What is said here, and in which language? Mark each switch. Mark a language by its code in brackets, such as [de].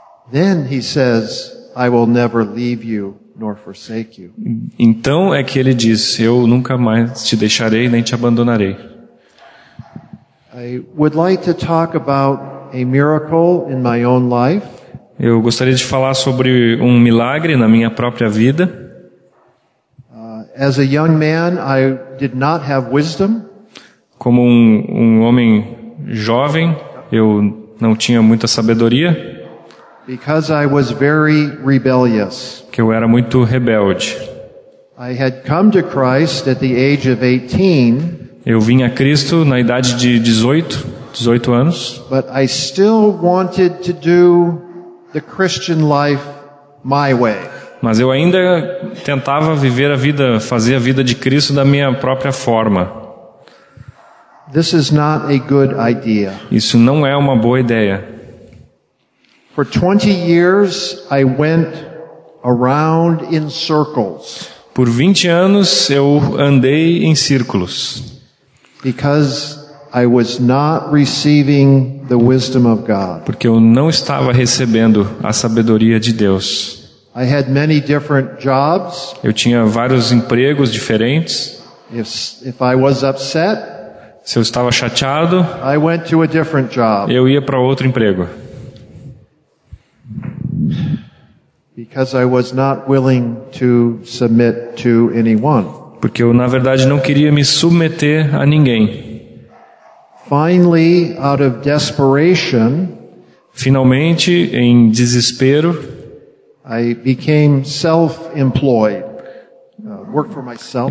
[en] Then he says, I will never leave you nor forsake you. [pt] Então é que ele diz, eu nunca mais te deixarei nem te abandonarei. [en] I would like to talk about a miracle in my own life. [pt] Eu gostaria de falar sobre um milagre na minha própria vida. [en] As a young man, I did not have wisdom. [pt] Como um homem jovem, eu não tinha muita sabedoria. [en] Because I was very rebellious. [pt] Que eu era muito rebelde. [en] I had come to Christ at the age of 18. [pt] Eu vim a Cristo na idade de 18 anos. [en] But I still wanted to do the Christian life my way. [pt] Mas eu ainda tentava viver a vida, fazer a vida de Cristo da minha própria forma. [en] This is not a good idea. [pt] Isso não é uma boa ideia. [en] For 20 years I went around in circles. [pt] Por 20 anos eu andei em círculos. [en] Because I was not receiving the wisdom of God. [pt] Porque eu não estava recebendo a sabedoria de Deus. [en] I had many different jobs. [pt] Eu tinha vários empregos diferentes. [en] If I was upset, [pt] se eu estava chateado, [en] I went to a different job. [pt] Eu ia para outro emprego. [en] Because I was not willing to submit to anyone. [pt] Porque eu, na verdade, não queria me submeter a ninguém. [en] Finally, out of desperation, [pt] finalmente, em desespero, [en] I became self-employed, worked for myself.